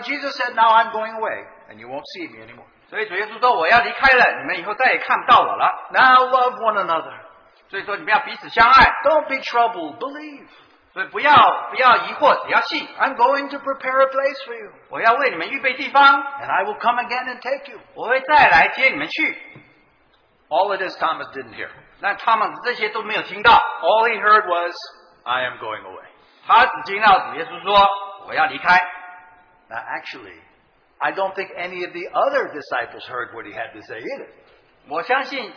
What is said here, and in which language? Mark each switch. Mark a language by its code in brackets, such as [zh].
[en] Jesus said, "Now I'm going away, and you won't see me anymore." [zh] 所以主耶稣说我要离开了，你们以后再也看不到我了。 [en] Now love one another. [zh] 所以说你们要彼此相爱, [en] don't be troubled, believe. [zh] 所以不要疑惑, 只要信, [en] I'm going to prepare a place for you. [zh] 我要为你们预备地方, [en] and I will come again and take you. [zh] 我会再来接你们去。 [en] All of this Thomas didn't hear. [zh] 但Thomas这些都没有听到。 [en] All he heard was, I am going away. [zh] 他只听到主耶稣说, 我要离开。 [en] Now actually, I don't think any of the other disciples heard what he had to say either.